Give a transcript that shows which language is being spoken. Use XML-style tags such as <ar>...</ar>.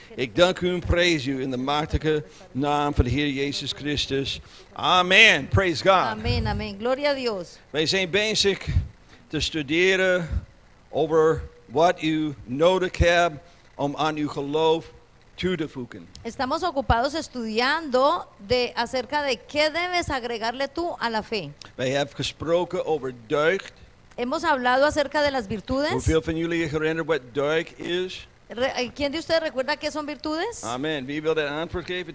<nl>Ik dank u en prijs u in de machtige naam van de Heer Jezus Christus.</nl> <en>Amen. Praise God.</en> <es>Amen, amen. Gloria a Dios.</es> <nl>Wij zijn bezig te studeren over wat u nodig hebt om aan uw geloof toe te voegen.</nl> <es>Estamos ocupados estudiando de acerca de qué debes agregarle tú a la fe.</es> <nl>Wij hebben gesproken over deugd.</nl> <es>Hemos hablado acerca de las virtudes.</es> <nl>¿Hoeveel van jullie herinneren wat deugd is?</nl> <es>¿Quién de ustedes recuerda qué son virtudes? Amen.</es> <nl>Wie wil dat antwoord geven?</nl>